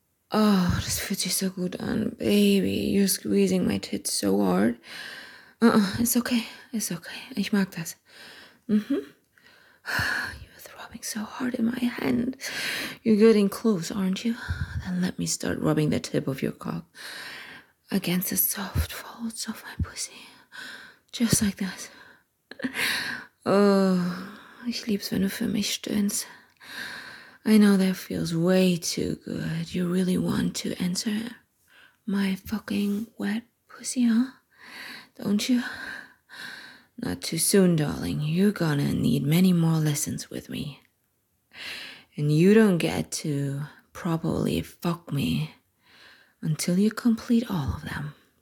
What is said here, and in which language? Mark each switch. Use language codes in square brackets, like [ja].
[de] Oh, das fühlt sich so gut an. [en] Baby, you're squeezing my tits so hard. It's okay. It's okay. [de] Ich mag das. [en] So hard in my hand. You're getting close, aren't you? Then let me start rubbing the tip of your cock against the soft folds of my pussy. Just like that. [de] Oh, ich lieb's, wenn du für mich stöhnst. [en] I know that feels way too good. You really want to enter my fucking wet pussy, huh? Don't you? Not too soon, darling. You're gonna need many more lessons with me. And you don't get to properly fuck me until you complete all of them.